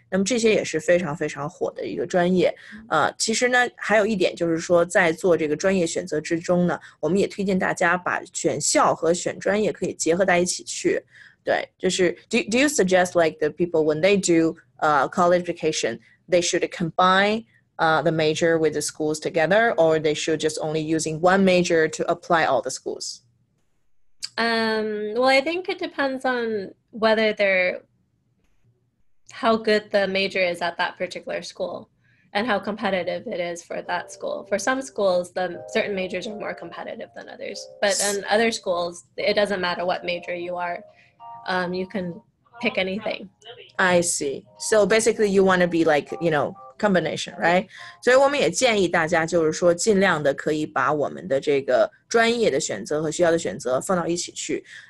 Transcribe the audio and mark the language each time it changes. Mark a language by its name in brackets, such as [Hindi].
[Chinese] 那么这些也是非常非常火的一个专业。其实呢，还有一点就是说，在做这个专业选择之中呢，我们也推荐大家把选校和选专业可以结合在一起去。对，就是 [English] do you suggest like the people when they do college education, they should combine the major with the schools together, or they should just only using one major to apply all the schools? Well, I think it depends on whether they're, how good the major is at that particular school and how competitive it is for that school. For some schools, the certain majors are more competitive than others, but in other schools, it doesn't matter what major you are. You can pick anything. I see. So basically you want to be like, you know, combination, right? [Chinese] 所以我们也建议大家就是说尽量的可以把我们的这个专业的选择和学校的选择放到一起去。